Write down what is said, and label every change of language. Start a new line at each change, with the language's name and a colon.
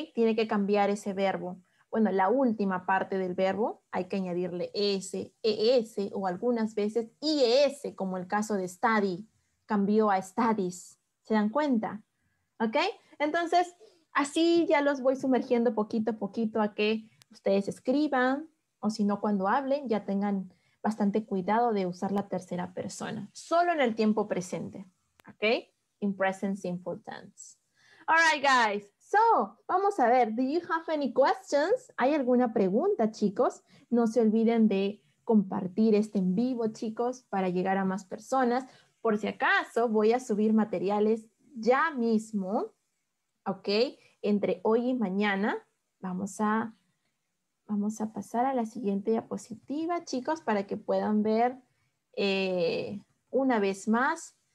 Spanish: Tiene que cambiar ese verbo. Bueno, la última parte del verbo hay que añadirle S, ES o algunas veces IES, como el caso de study, cambió a studies. ¿Se dan cuenta? ¿Ok? Entonces, así ya los voy sumergiendo poquito a poquito a que ustedes escriban, o si no, cuando hablen, ya tengan bastante cuidado de usar la tercera persona, solo en el tiempo presente, ¿ok?
English: In present simple tense. All right, guys. So,
Spanish: vamos a ver,
English: do you have any questions?
Spanish: ¿Hay alguna pregunta, chicos? No se olviden de compartir este en vivo, chicos, para llegar a más personas. Por si acaso, voy a subir materiales ya mismo, ¿ok? Entre hoy y mañana, vamos a pasar a la siguiente diapositiva, chicos, para que puedan ver una vez más.